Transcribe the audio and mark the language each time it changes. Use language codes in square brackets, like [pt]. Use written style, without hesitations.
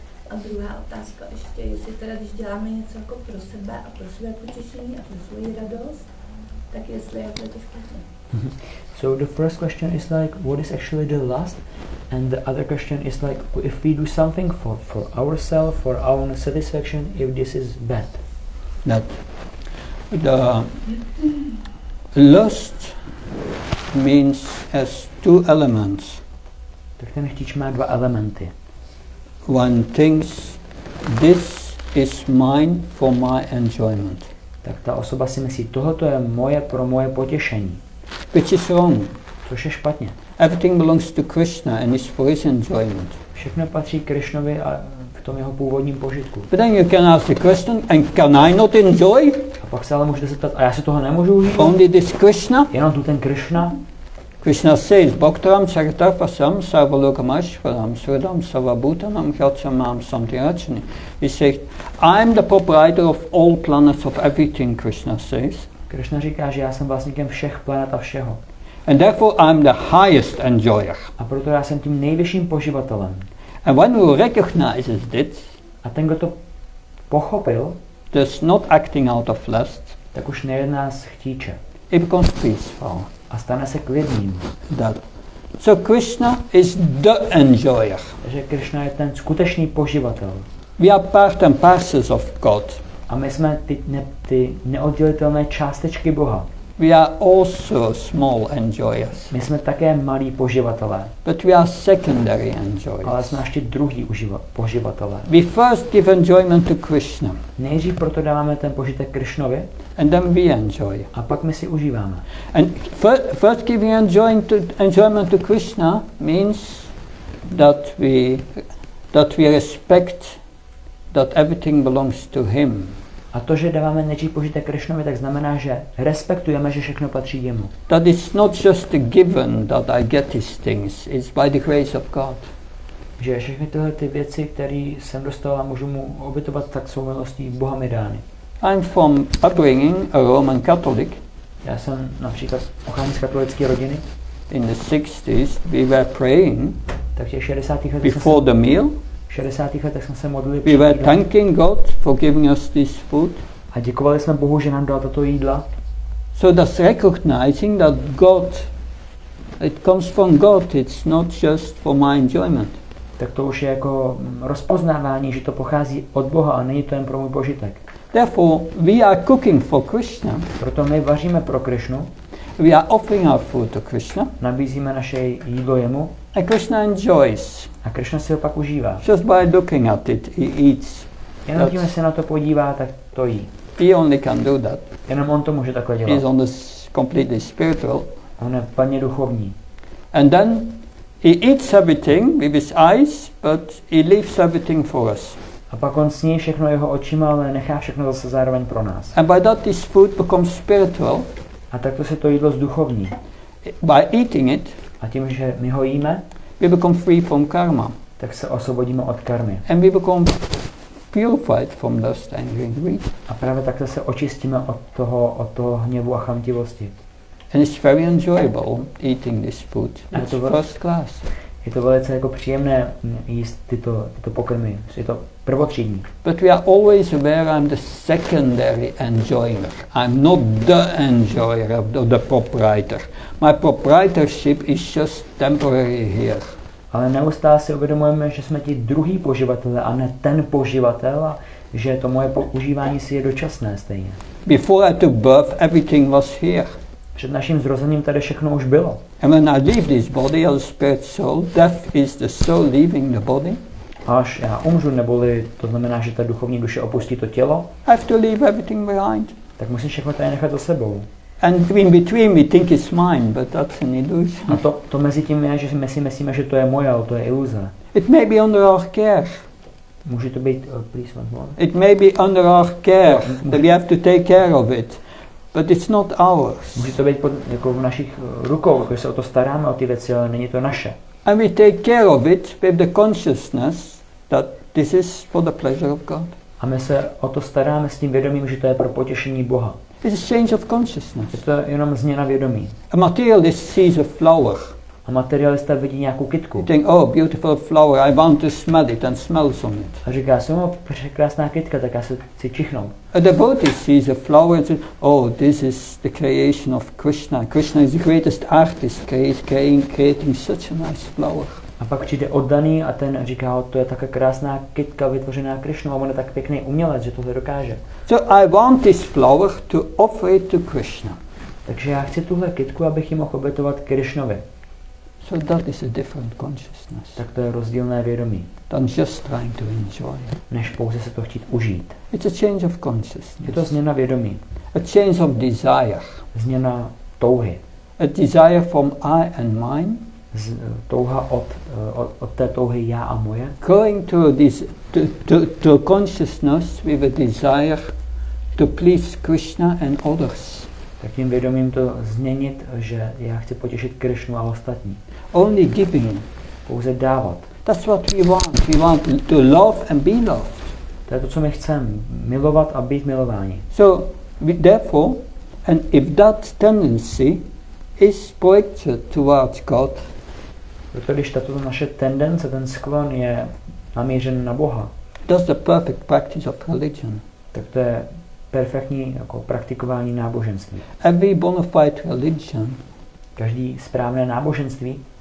[cs] A druhá otázka ještě, jestli teda, když děláme něco jako pro sebe a pro své potěšení a pro svou radost, tak jestli je to špatně. [en] So the first question is like, what is actually the lust? And the other question is like, if we do something for ourselves, for our own satisfaction, if this is bad? No. The lust means as two elements. [cs] Tak ten chtíč má dva elementy. [en] One thinks this is mine for my enjoyment. [cs] Tak ta osoba si myslí, tohoto je moje pro moje potěšení. [en] Which is wrong. [cs] Což je špatně. [en] Everything belongs to Krishna and is for his enjoyment. [cs] Všechno patří Krishnovi a v tom jeho původním požitku. [en] But then you can ask the question, and can I not enjoy? [cs] A pak se ale můžete zeptat, a já si toho nemůžu užít? [en] Only this Krishna? [cs] Jenom tu ten Krishna? [en] Krishna says, [sa] Bhaktaram Charitafasam Sarvalokamashvaram Sridam Sarvabhutanam Hyatsamam Samtirachani. [en] He says, I'm the proprietor of all planets of everything, Krishna says. [cs] Krishna říká, že já jsem vlastníkem všech planet a všeho. [en] And therefore I'm the highest enjoyer. [cs] A proto já jsem tím nejvyšším poživatelem. [en] And when we recognize this, [cs] a ten, kdo to pochopil, [en] that's not acting out of lust, [cs] tak už nejedná z chtíče. [en] It becomes peaceful. [cs] A stane se klidným. [en] That. So Krishna is the enjoyer. [cs] Takže Krishna je ten skutečný poživatel. [en] We are part and parcels of God. [cs] A my jsme ty neoddělitelné částečky Boha. [en] We are also small enjoyers. [cs] My jsme také malí poživatelé. [en] But we are secondary enjoyers. [cs] Ale jsme ještě druhý poživatelé. [en] We first give enjoyment to Krishna. [cs] Nejdřív proto dáváme ten požitek Krishnovi. [en] And then we enjoy. [cs] A pak my si užíváme. [en] And first giving enjoyment to Krishna means that we respect that everything belongs to him. [cs] A to, že dáváme nejdřív požitek Krishnovi, tak znamená, že respektujeme, že všechno patří jemu. [en] That is not just a given that I get these things. It's by the grace of God. [cs] Že všechny tyhle ty věci, které jsem dostal a můžu mu obětovat, tak jsou milostí Boha mi dány. [en] I'm from upbringing a Roman Catholic. [cs] Já jsem například pochází z katolické rodiny. [en] In the 60s we were praying. [cs] Tak těch 60. letech. [en] Before the meal. [cs] V 60. letech jsme se modlili. [en] We were thanking God for giving us this food. [cs] A děkovali jsme Bohu, že nám dal toto jídlo. [en] So that's recognizing that God, it comes from God, it's not just for my enjoyment. [cs] Tak to už je jako rozpoznávání, že to pochází od Boha a není to jen pro můj požitek. [en] Therefore, we are cooking for Krishna. [cs] Proto my vaříme pro Krishnu. [en] We are offering our food to Krishna. [cs] Nabízíme naše jídlo jemu. [en] A Krishna enjoys. [cs] A Krishna si ho pak užívá. [en] Just by looking at it, he eats. [cs] Jenom tím, že se na to podívá, tak to jí. [en] He only can do that. [cs] Jenom on to může takhle dělat. [en] He is on the completely spiritual. [cs] On je plně duchovní. [en] And then he eats everything with his eyes, but he leaves everything for us. [cs] A pak on sní všechno jeho očima, ale nechá všechno zase zároveň pro nás. [en] And by that this food becomes spiritual. [cs] A tak to se to jídlo zduchovní. [en] By eating it. [cs] A tím, že my ho jíme. [en] We become free from karma. [cs] Tak se osvobodíme od karmy. [en] And we become purified from lust and greed. [cs] A právě tak se očistíme od toho hněvu a chamtivosti. [en] And it's very enjoyable eating this food. It's first class. [cs] Je to velice jako příjemné jíst tyto, tyto pokrmy. Je to prvotřídní. [en] But we are always aware I'm the secondary enjoyer. I'm not the enjoyer of the proprietor. My proprietorship is just temporary here. [cs] Ale neustále si uvědomujeme, že jsme ti druhý poživatel a ne ten poživatel a že to moje používání si je dočasné stejně. [en] Before I took birth, everything was here. [cs] Před naším zrozením tady všechno už bylo. [en] And when I leave this body as a spirit soul, death is the soul leaving the body. [cs] Až já umřu, neboli to znamená, že ta duchovní duše opustí to tělo. [en] I have to leave everything behind. [cs] Tak musím všechno tady nechat za sebou. [en] And in between we think it's mine, but that's an illusion. [cs] A to, to mezi tím je, že my si myslíme, že to je moje, ale to je iluze. [en] It may be under our care. [cs] Může to být, [en] please one more. It may be under our care, that we have to take care of it. But it's not ours. [cs] Může to být pod, jako v našich rukou, když se o to staráme, o ty věci, ale není to naše. [en] And we take care of it with the consciousness that this is for the pleasure of God. [cs] A my se o to staráme s tím vědomím, že to je pro potěšení Boha. [en] It's a change of consciousness. [cs] Je to jenom změna vědomí. [en] A materialist sees a flower. [cs] A materialista vidí nějakou kytku. [en] Think, oh, beautiful flower, I want to smell it and smell some it. [cs] A říká, jsem ho překrásná kytka, tak já se chci čichnout. [en] A devotee sees a flower and says, oh, this is the creation of Krishna. Krishna is the greatest artist, creating such a nice flower. [cs] A pak přijde oddaný a ten říká, oh, to je taková krásná kytka vytvořená Krishnou a on je tak pěkný umělec, že tohle dokáže. [en] So I want this flower to offer it to Krishna. [cs] Takže já chci tuhle kytku, abych ji mohl obětovat Krishnovi. [en] So that is a different consciousness. [cs] Tak to je rozdílné vědomí. [en] Than just trying to enjoy. [cs] Než pouze se to chtít užít. [en] It's a change of consciousness. [cs] Je to změna vědomí. [en] A change of desire. [cs] Změna touhy. [en] A desire from I and mine. [cs] Touha od té touhy já a moje. [en] Going to this to consciousness with a desire to please Krishna and others. [cs] Tak tím vědomím to změnit, že já chci potěšit Krishnu a ostatní. [en] Only giving. [cs] Pouze dávat. [en] That's what we want. We want to love and be loved. [cs] To je to, co my chceme. Milovat a být milováni. [en] So, therefore, and if that tendency is projected towards God. [cs] Proto když tato naše tendence, ten sklon je namířen na Boha. [en] That's the perfect practice of religion. [cs] Tak to je perfektní jako praktikování náboženství. [en] Every bona fide religion, [cs] každý správné náboženství,